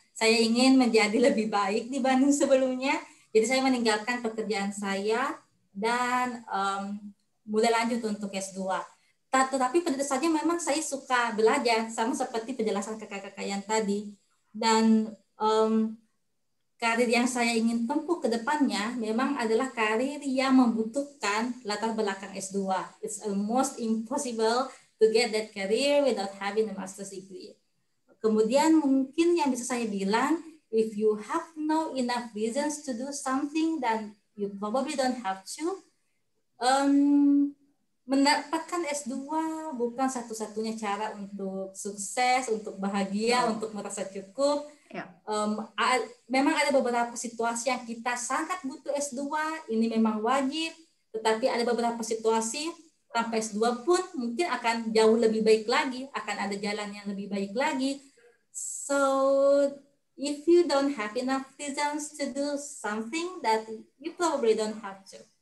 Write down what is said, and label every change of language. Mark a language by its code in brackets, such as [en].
[id] Saya ingin menjadi lebih baik dibanding sebelumnya. Jadi saya meninggalkan pekerjaan saya dan mulai lanjut untuk S2. Tetapi pada dasarnya memang saya suka belajar, sama seperti penjelasan kakak-kakak yang tadi. Dan karir yang saya ingin tempuh ke depannya memang adalah karir yang membutuhkan latar belakang S2. [en] It's almost impossible to get that career without having a master's degree. [id] Kemudian mungkin yang bisa saya bilang, [en] if you have no enough reasons to do something, then you probably don't have to. [id] Mendapatkan S2 bukan satu-satunya cara untuk sukses, untuk bahagia, untuk merasa cukup. Memang ada beberapa situasi yang kita sangat butuh S2, ini memang wajib, tetapi ada beberapa situasi tanpa S2 pun mungkin akan jauh lebih baik lagi, akan ada jalan yang lebih baik lagi. [en] So, if you don't have enough reasons to do something, that you probably don't have to.